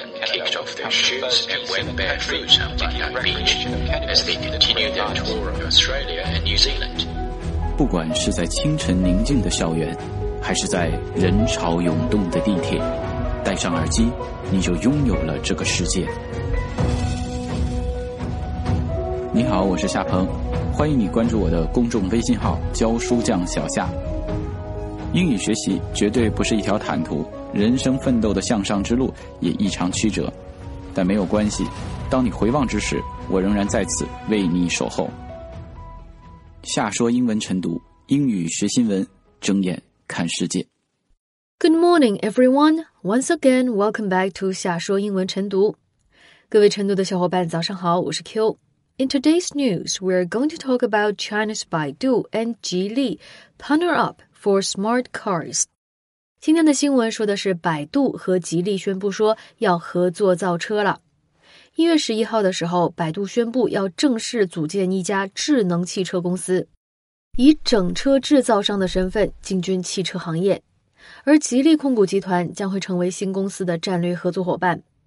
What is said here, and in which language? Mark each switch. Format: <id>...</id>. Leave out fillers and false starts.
<en>and Meghan kicked off their shoes and went barefoot on Bondi Beach as they continued their tour of Australia and New Zealand.</en> <zh>不管是在清晨宁静的校园，还是在人潮涌动的地铁，戴上耳机，你就拥有了这个世界。你好，我是夏鹏，欢迎你关注我的公众微信号“教书匠小夏”。英语学习绝对不是一条坦途，人生奋斗的向上之路也异常曲折，但没有关系，当你回望之时，我仍然在此为你守候。夏说英文晨读，英语学新闻，睁眼看世界。</zh> <en>Good morning, everyone. Once again, welcome back to 夏说英文晨读。</en> <zh>各位晨读的小伙伴，早上好，我是 Q。</zh> <en>In today's news, we are going to talk about China's Baidu and Geely partner up for smart cars.</en> <zh>今天的新闻说的是百度和吉利宣布说要合作造车了。 1月11号的时候，百度宣布要正式组建一家智能汽车公司，以整车制造商的身份进军汽车行业，而吉利控股集团将会成为新公司的战略合作伙伴。</zh>